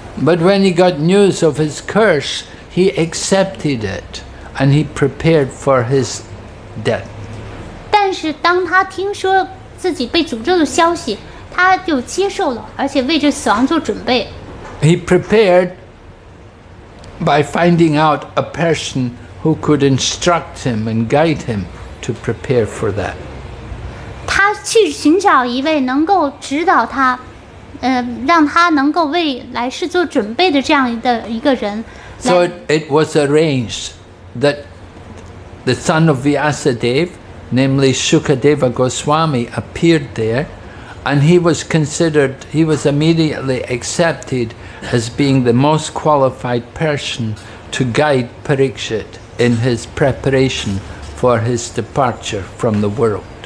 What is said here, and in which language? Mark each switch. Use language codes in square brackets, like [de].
[en] But when he got news of his curse, he accepted it, and he prepared for his death. [zh] 但是当他听说自己被诅咒的消息，他就接受了，而且为这死亡做准备。 [en] He prepared by finding out a person who could instruct him and guide him to prepare for that. [zh] 他去寻找一位能够指导他，让他能够为来世做准备的这样的一个人。 [en] So it was arranged that the son of Vyasadeva, namely Shukadeva Goswami, appeared there. And he was immediately accepted as being the most qualified person to guide Parikshit in his preparation for his departure from the world.